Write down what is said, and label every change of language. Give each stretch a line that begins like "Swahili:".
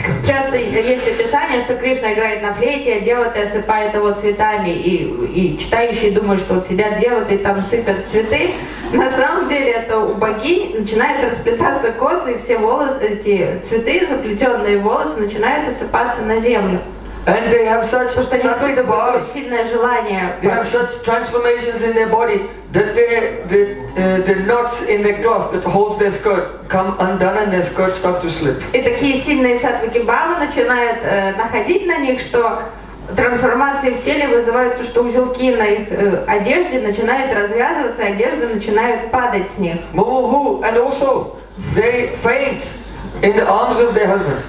Russian: Часто есть описание, что Кришна играет на флейте, а девоты осыпают его цветами, и читающие думают, что вот сидят девоты и там сыпят цветы. На самом деле это у богинь начинают расплетаться косы, и все волосы, эти цветы, заплетенные волосы, начинают осыпаться на землю.
English: And they have such transformations in their body that the knots in their cloth that holds their skirt come undone and their skirt start to slip.
Russian: И такие сильные сатвики бавы начинают находить на них, что трансформации в теле вызывают то, что узелки на их одежде начинают развязываться, одежда начинает падать с них.
English: Муху, and also they faint. In the arms of their husbands.